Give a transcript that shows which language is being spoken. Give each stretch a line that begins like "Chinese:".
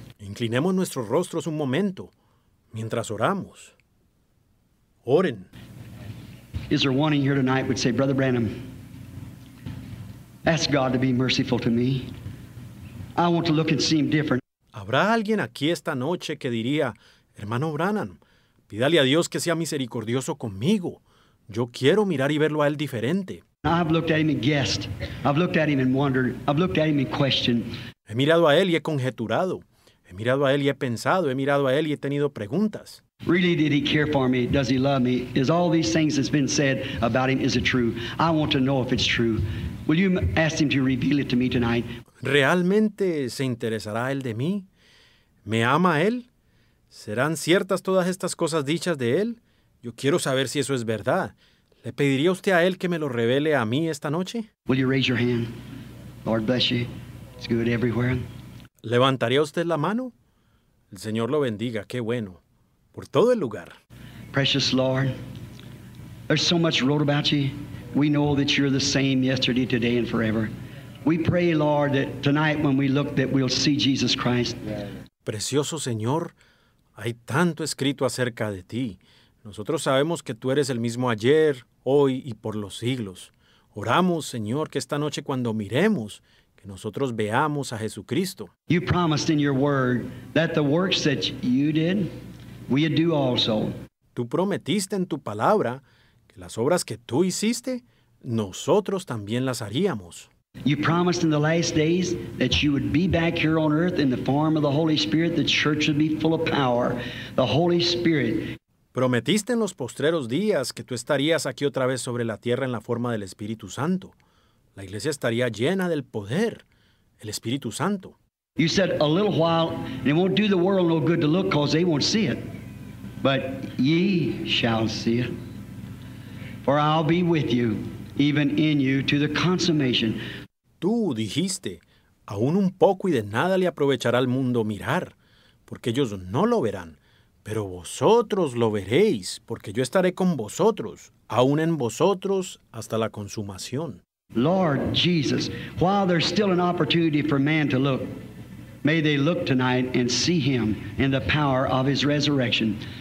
Spanish: Inclinemos nuestros rostros un momento, mientras oramos. Oren.
English: Is there one in here tonight would say, Brother Branham, ask God to be merciful to me. I want to look and see him different.
Spanish: ¿Habrá alguien aquí esta noche que diría, hermano Branham, pídale a Dios que sea misericordioso conmigo? Yo quiero mirar y verlo a él diferente.
English: I've looked at him and guessed. I've looked at him and wondered. I've looked at him and questioned.
Spanish: He mirado a él y he conjeturado. He mirado a él y he pensado. He mirado a él y he tenido preguntas.
English: Really, did he care for me? Does he love me? Is all these things that's been said about him, is it true? I want to know if it's true. Will you ask him to reveal it to me tonight?
Spanish: ¿Realmente se interesará él de mí? ¿Me ama él? ¿Serán ciertas todas estas cosas dichas de él? Yo quiero saber si eso es verdad. ¿Le pediría usted a él que me lo revele a mí esta noche?
English: Will you raise your hand? Lord bless you. It's good everywhere.
Spanish: ¿Levantaría usted la mano? El Señor lo bendiga. Qué bueno. Por todo el lugar.
English: Precious Lord, there's so much wrote about you. We know that you're the same yesterday, today, and forever. We pray, Lord, that tonight when we look, that we'll see Jesus Christ.
Spanish: Precioso Señor, hay tanto escrito acerca de ti. Nosotros sabemos que tú eres el mismo ayer, hoy y por los siglos. Oramos, Señor, que esta noche cuando miremos, que nosotros veamos a Jesucristo.
English: You promised in your word that the works that you did, we do also.
Spanish: Tú prometiste en tu palabra que las obras que tú hiciste, nosotros también las haríamos.
English: You promised in the last days that you would be back here on earth in the form of the Holy Spirit, the church would be full of power, the Holy Spirit.
Spanish: Prometiste en los postreros días que tú estarías aquí otra vez sobre la tierra en la forma del Espíritu Santo. La iglesia estaría llena del poder, el Espíritu Santo.
English: You said a little while, and it won't do the world no good to look because they won't see it. But ye shall see it. For I'll be with you, even in you, to the consummation.
Spanish: Tú dijiste, aún un poco y de nada le aprovechará al mundo mirar, porque ellos no lo verán. Pero vosotros lo veréis, porque yo estaré con vosotros, aún en vosotros, hasta la consumación.
English: Lord Jesus, while there's still an opportunity for man to look, may they look tonight and see him in the power of his resurrection.